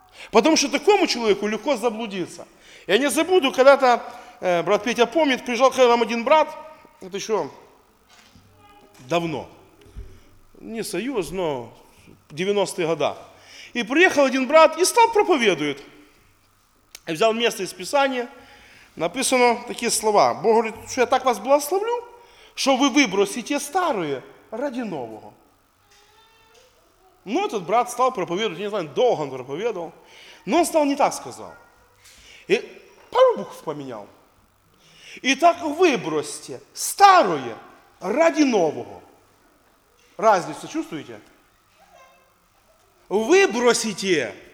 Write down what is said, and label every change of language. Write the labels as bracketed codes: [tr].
[ru] Потому что такому человеку легко заблудиться. Я не забуду, когда-то брат Петя помнит, приезжал к нам один брат, это еще давно, не союз, но 90-е годы. И приехал один брат и стал проповедует. Взял место из Писания, [uk] написано такі слова. Бог говорить, що я так вас благословлю, що ви вибросите старе ради нового. [ru] Ну, этот брат стал проповедовать, не знаю, долго он проповедовал, но он стал не так сказал. И пару букв поменял. И так выбросьте старое ради нового. Разницу чувствуете? Выбросите.